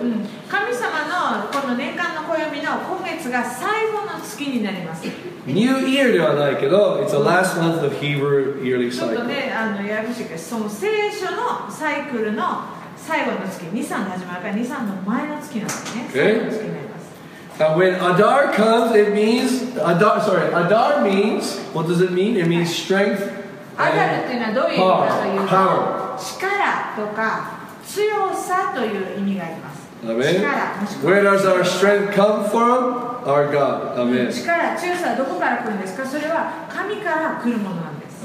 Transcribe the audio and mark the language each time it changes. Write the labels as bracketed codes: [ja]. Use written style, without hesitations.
[ja] うん、神様のこの年間の暦の今月が最後の月になります。 [en] New year [ja] ではないけど、 [en] It's the last month of Hebrew yearly cycle。 [ja] ちょっとね、あのややこしいけど、その聖書のサイクルの最後の月、2、3の始まるから2、3の前の月なんですね。 [en] Okay. [ja] 最後の月になります。 [en] Now when Adar comes, it means Adar means what does it mean? It means strength. [ja] アダルっていうのはどういう意味かというと、 [en] power. [ja] 力とか強さという意味があります。 [en] Amen. [ja] 力。 [en] Where does our strength come from? Our God. Amen. [ja] 力、強さはどこから来るんですか？それは神から来るものなんです。